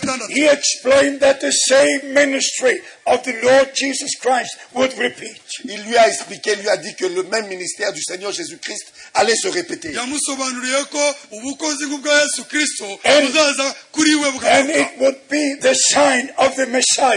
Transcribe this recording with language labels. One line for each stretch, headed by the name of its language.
English: He explained that the same ministry of the Lord Jesus Christ would repeat.
French: Il lui a expliqué, lui a dit que le même ministère du Seigneur Jésus Christ allait se répéter.
English: And it would be the sign of the Messiah.